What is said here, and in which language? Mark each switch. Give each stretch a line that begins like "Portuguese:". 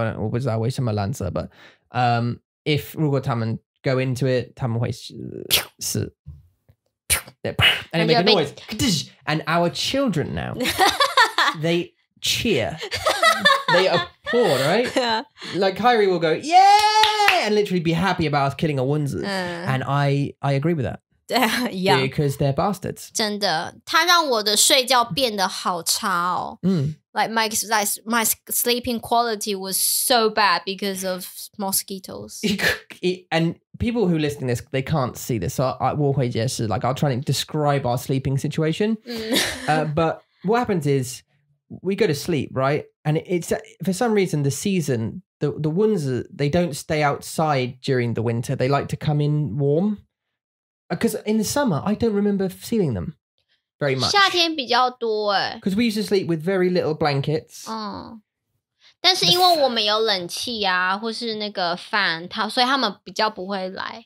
English: I don't know, what was that?
Chinese: 为什么蓝色?
English: But if
Chinese: 如果他们
English: go into it,
Chinese: 他们会死
English: and it makes a noise. And our children now, they cheer. They are poor, right? Yeah. Like Kyrie will go, yeah, and literally be happy about us killing a wunzi. And I agree with that. Yeah. Because they're bastards.
Chinese: 真的，它让我的睡觉变得好差哦。
English: Like my sleeping quality was so bad because of mosquitoes. And people who listen to this, they can't see this. So I will
Chinese: 回解释,
English: like I'll try to describe our sleeping situation. But what happens is we go to sleep, right? And it's, for some reason, the season, the wunzi, they don't stay outside during the winter. They like to come in warm. Because in the summer, I don't remember feeling them very much.
Chinese: 夏天比较多耶。
English: Because we used to sleep with very little blankets.
Chinese: 但是因为我们有冷气啊或是那个 fan, 所以他们比较不会来。